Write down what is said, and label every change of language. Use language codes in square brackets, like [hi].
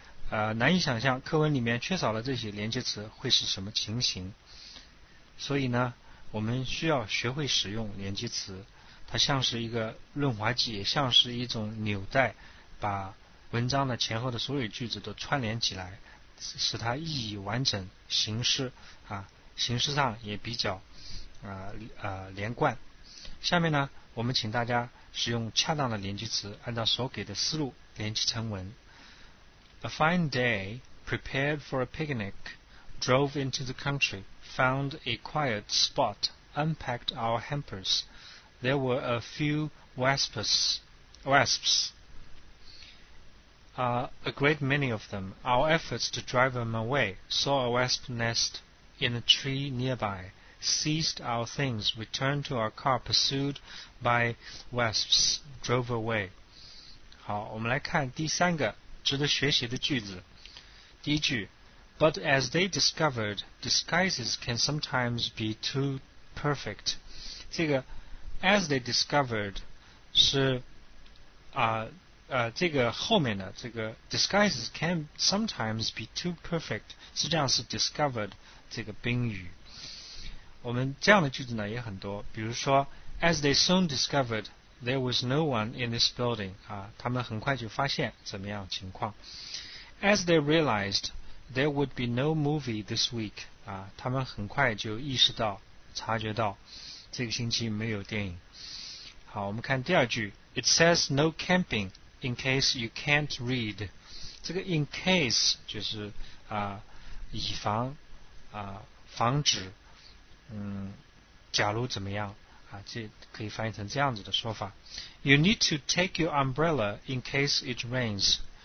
[zh] 难以想象课文里面缺少了这些连接词会是什么情形，所以呢，我们需要学会使用连接词，它像是一个润滑剂，也像是一种纽带，把文章的前后的所有句子都串联起来，使它意义完整，形式上也比较连贯。下面呢，我们请大家使用恰当的连接词，按照所给的思路连接成文。 [en] A fine day, prepared for a picnic, drove into the country, found a quiet spot, unpacked our hampers. There were a few wasps, a great many of them. Our efforts to drive them away saw a wasp nest in a tree nearby. Seized our things, returned to our car, pursued by wasps, drove away. [zh] 好，我们来看第三个值得学习的句子。第一句 [en] But as they discovered, disguises can sometimes be too perfect. 这个 as they discovered [zh] 是这个后面的这个 [en] disguises can sometimes be too perfect. [zh] 实际上是 discovered 这个宾语。我们这样的句子呢也很多，比如说 [en] As they soon discovered, there was no one in this building. [zh] 他们很快就发现怎么样情况。 [en] As they realized, there would be no movie this week. [zh] 他们很快就意识到，察觉到这个星期没有电影。好，我们看第二句 [en] It says no camping in case you can't read. [zh] 这个 in case 就是以防防止假如怎么样这可以翻译成这样子的说法 [en] You need to take your umbrella in case it rains